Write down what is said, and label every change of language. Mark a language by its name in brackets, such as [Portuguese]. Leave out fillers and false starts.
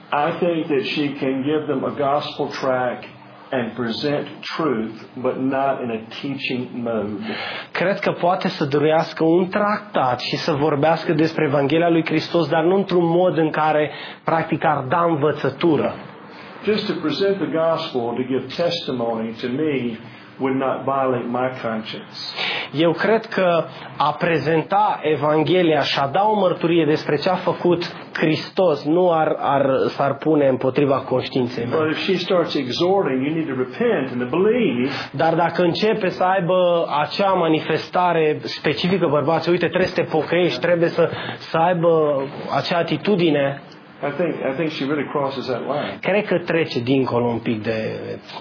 [English] I think that she can give them a gospel track and present truth, but not in a teaching mode. [Romanian] Cred că poate să dorească un tractat și să vorbească despre Evanghelia lui Hristos, dar nu într-un mod în care practic ar da învățătură. [English] just to present the gospel, to give testimony to me, would not violate my conscience. [Romanian] Eu cred că a prezenta Evanghelia și a da o mărturie despre ce a făcut Hristos nu s-ar pune împotriva conștiinței mele. [English] But if she starts exhorting, you need to repent and believe. [Romanian] Dar dacă începe să aibă acea manifestare specifică, bărbați, uite, trebuie să te pocăiești, trebuie să aibă acea atitudine. [English] I think she really crosses that line. [Romanian] Cred că trece dincolo un pic de